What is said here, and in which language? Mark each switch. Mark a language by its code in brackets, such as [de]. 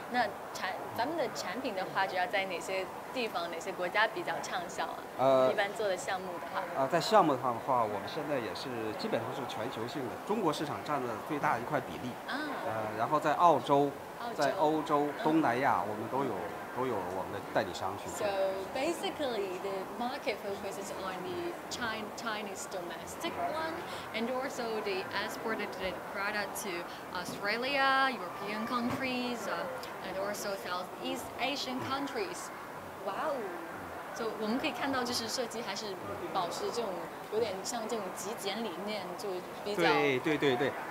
[zh] 那咱们的产品的话，主要在哪些地方、哪些国家比较畅销啊？一般做的项目的话，在项目的话，我们现在也是基本上是全球性的，中国市场占了最大一块比例。然后在澳洲。在欧洲、东南亚，我们都有我们的代理商去。 [en] So basically, the market focuses on the Chinese domestic one, and also they exported the product to Australia, European countries, and also Southeast Asian countries. Wow! So [zh] 我们可以看到，就是设计还是保持这种有点像这种极简理念，就比较。对。